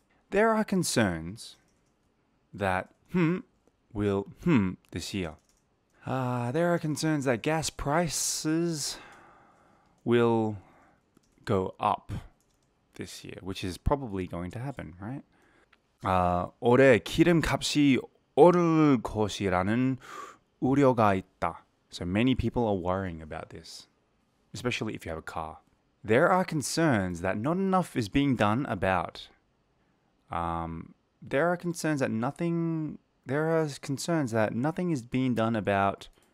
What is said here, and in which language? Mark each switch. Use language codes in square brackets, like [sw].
[en] There are concerns that this year. There are concerns that gas prices will go up this year, which is probably going to happen, right? [ko] 올해 기름값이 오를 것이라는 우려가 있다. [en] So many people are worrying about this, especially if you have a car. There are concerns that not enough is being done about. There are concerns that nothing is being done about